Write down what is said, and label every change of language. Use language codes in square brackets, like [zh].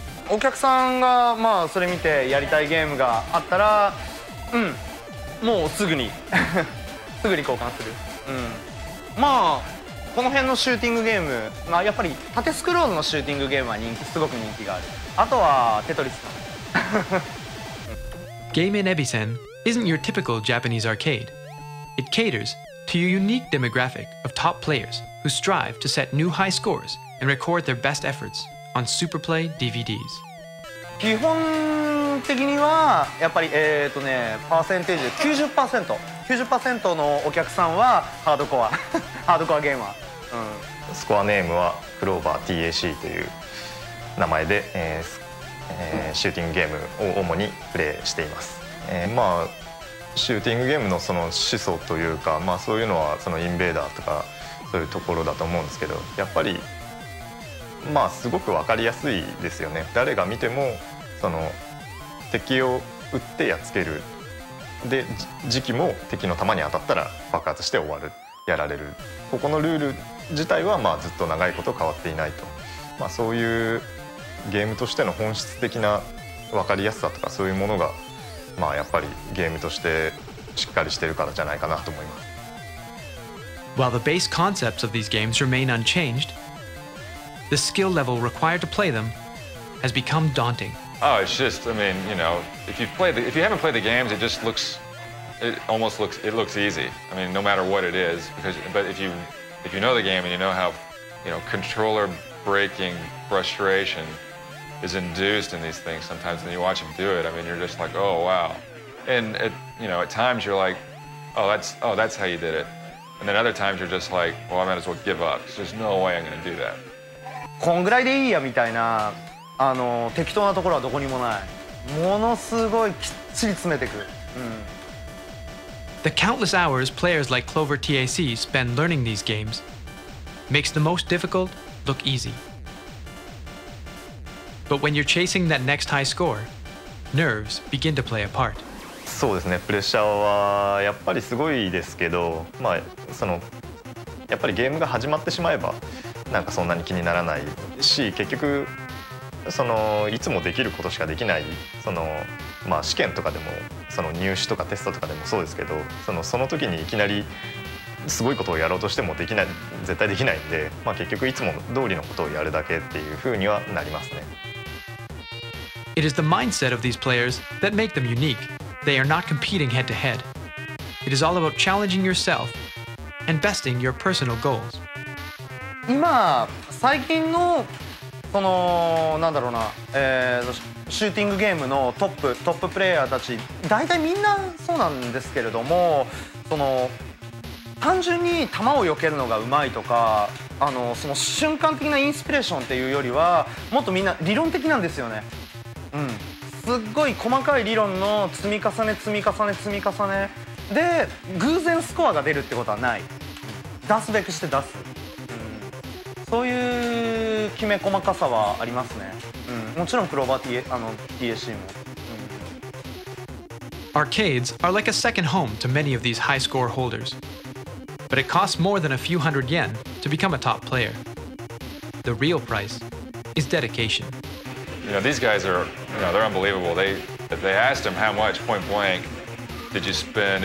[ja] お客さんがまあそれ見てやりたいゲームがあったら、うん、もうすぐにすぐに交換する。うん、まあこの辺のシューティングゲーム、まあやっぱり縦スクロールのシューティングゲームは人気、すごく人気がある。あとはテトリスかな。 [en] Game in Ebisen isn't your typical Japanese arcade. It caters to a unique demographic of top players who strive to set new high scores and record their best efforts on Super Play DVDs. [ja] 基本的にはやっぱりね、パーセンテージ 90%、 90% のお客さんはハードコア、ハードコアゲーマー。スコアネームはクローバー TAC という名前で、シューティングゲームを主にプレイしています。まあシューティングゲームのその始祖というか、まあそういうのはそのインベーダーとかそういうところだと思うんですけど、やっぱりまあすごく分かりやすいですよね。誰が見てもその敵を撃ってやっつける、で時期も敵の弾に当たったら爆発して終わる、やられる。ここのルール自体はまあずっと長いこと変わっていないと、まあそういうゲームとしての本質的な分かりやすさとかそういうものが、まあ、やっぱりゲームとしてしっかりしてるからじゃないかなと思います。 [en] While the base concepts of these games remain unchanged, the skill level required to play them has become daunting. Oh, it's just, I mean, you know, if you haven't played the games, it almost looks easy. I mean, no matter what it is, but if you know the game and you know how, you know, controller breaking frustration is induced in these things sometimes, and you watch them do it, I mean, you're just like, oh wow. And it, you know, at times you're like, oh that's how you did it. And then other times you're just like, well, I might as well give up. There's no way I'm gonna do that. [ja] こんぐらいでいいやみたいな、あの適当なところはどこにもない。ものすごいきっちり詰めてく。 [en] The countless hours players like Clover TAC spend learning these games makes the most difficult look easy. But when you're chasing that next high score, nerves begin to play a part. [ja] そうですね、プレッシャーはやっぱりすごいですけど、まあ、そのやっぱりゲームが始まってしまえばなんかそんなに気にならないし、結局そのいつもできることしかできない、その、まあ、試験とかでもその入試とかテストとかでもそうですけど、その時にいきなりすごいことをやろうとしてもできない、絶対できないんで、まあ、結局いつも通りのことをやるだけっていうふうにはなりますね。 [en] It is the mindset of these players that make them unique. They are not competing head to head. It is all about challenging yourself and besting your personal goals. [ja] 今最近のそのなんだろうな、シューティングゲームのトッププレイヤーたち、大体みんなそうなんですけれども、その単純に弾を避けるのがうまいとか、あのその瞬間的なインスピレーションっていうよりは、もっとみんな理論的なんですよね。うん、すっごい細かい理論の積み重ね積み重ね積み重ねで、偶然スコアが出るってことはない。出すべくして出す、うん、そういうきめ細かさはありますね、うん、もちろんクローバー TAC も、うん、 [en] Arcades are like a second home to many of these high score holders, but it costs more than a few hundred yen to become a top player. The real price is dedication You know, these guys are, you know, they're unbelievable. They asked him how much point blank did you spend.